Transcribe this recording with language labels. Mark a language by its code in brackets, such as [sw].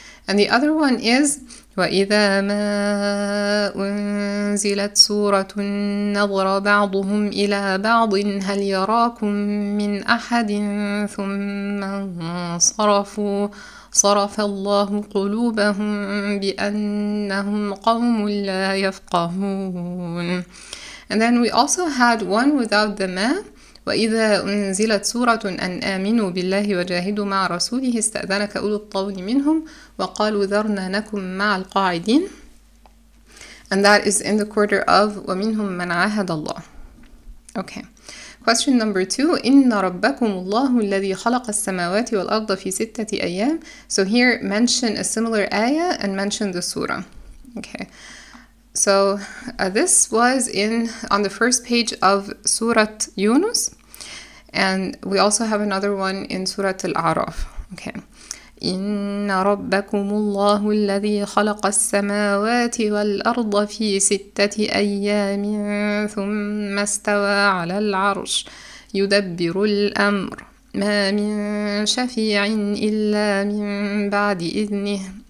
[en] And the other one is [ar] وَإِذَا مَا أُنْزِلَتْ سُورَةٌ نَظْرَ بَعْضُهُمْ إِلَى بَعْضٍ هَلْ يَرَاكُمْ مِنْ أَحَدٍ ثُمَّ انْصَرَفُوا صرف الله قلوبهم بأنهم قوم لا يفقهون. [en] And then we also had one without the ma. [ar] وإذا أنزلت سورة أن آمنوا بالله وجاهدوا مع رسوله استأذنك أولو الطول منهم وقالوا ذرنا نكن مع القاعدين. [en] And that is in the quarter of [ar] ومنهم من عاهد الله. [en] Okay. Question number two, [ar] إِنَّ رَبَّكُمُ اللَّهُ الَّذِي خَلَقَ السَّمَاوَاتِ وَالْأَرْضَ فِي سِتَّةِ أَيَّامٍ. [en] So here, mention a similar ayah and mention the surah. Okay, so this was on the first page of Surah Yunus. And we also have another one in Surah Al-A'raf. Okay. [ar] إِنَّ رَبَّكُمُ اللَّهُ الَّذِي خَلَقَ السَّمَاوَاتِ وَالْأَرْضَ فِي سِتَّةِ أَيَّامٍ ثُمَّ اسْتَوَى عَلَى الْعَرْشِ يُدَبِّرُ الْأَمْرِ مَا مِنْ شَفِيعٍ إِلَّا مِنْ بَعْدِ إِذْنِهِ